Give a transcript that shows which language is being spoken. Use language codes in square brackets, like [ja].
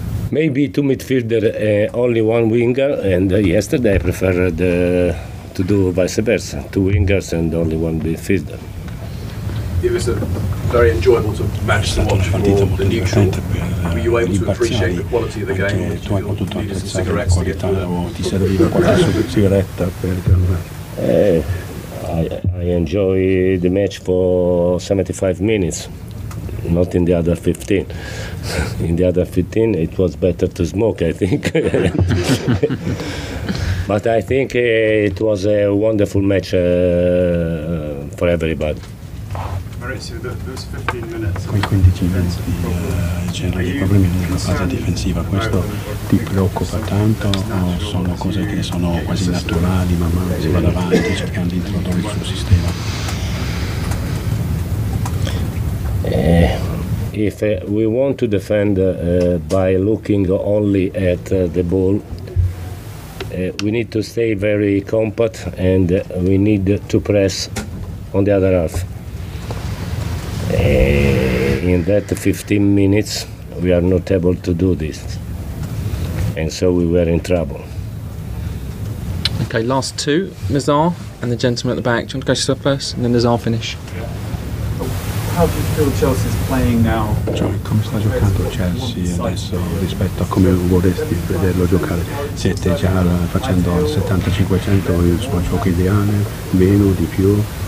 [en] Maybe two midfielder, only one winger, and yesterday I preferred to do vice versa, two wingers and only one midfielder. It was a very enjoyable match to watch for the neutral. Were you able to appreciate the quality of the game? [it] Tu hai potuto apprezzare la qualità o ti serviva qualche sigaretta per [en] I enjoy the match for 75 minutes. Not in the other 15. In the other 15, it was better to smoke, I think. But I think it was a wonderful match for everybody. [it] Maurizio, quei 15 minuti c'erano dei problemi nella fase difensiva, questo ti preoccupa tanto o sono cose che sono quasi naturali man mano si va avanti cercando di introdurre il suo sistema? [en] If we want to defend by looking only at the ball, we need to stay very compact and we need to press on the other half. In that 15 minutes, we are not able to do this. And so we were in trouble. Okay, last two, Nizar and the gentleman at the back. Do you want to go yourself first and then Nizar finish? How do you feel Chelsea's playing now? [it] Cioè, come sta giocando Chelsea adesso rispetto a come vorresti vederlo giocare? Siete già facendo il 7500 il suo gioco ideale, meno, di più?